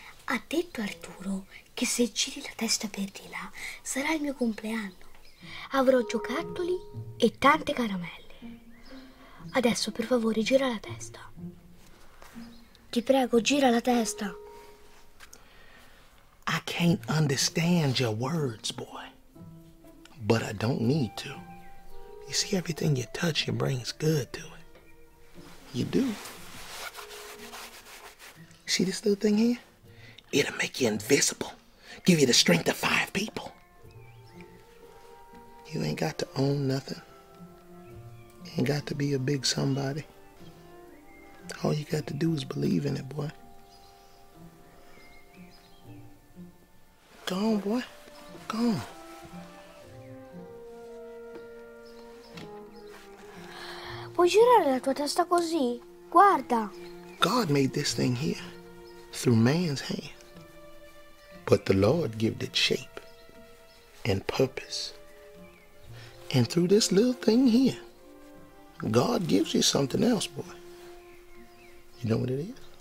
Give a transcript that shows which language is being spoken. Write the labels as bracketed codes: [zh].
[it] Ha detto Arturo che se giri la testa per di là sarà il mio compleanno. Avrò giocattoli e tante caramelle. Adesso, per favore, gira la testa. Ti prego, gira la testa. [en] I can't understand your words, boy. But I don't need to. You see, everything you touch, it brings good to it. You do. See this little thing here? It'll make you invisible. Give you the strength of 5 people. You ain't got to own nothing. You ain't got to be a big somebody. All you got to do is believe in it, boy. Go on, boy. Go on. [it] Puoi girare la tua testa così? Guarda. [en] God made this thing here through man's hand. But the Lord gave it shape and purpose. And through this little thing here, God gives you something else, boy. You know what it is?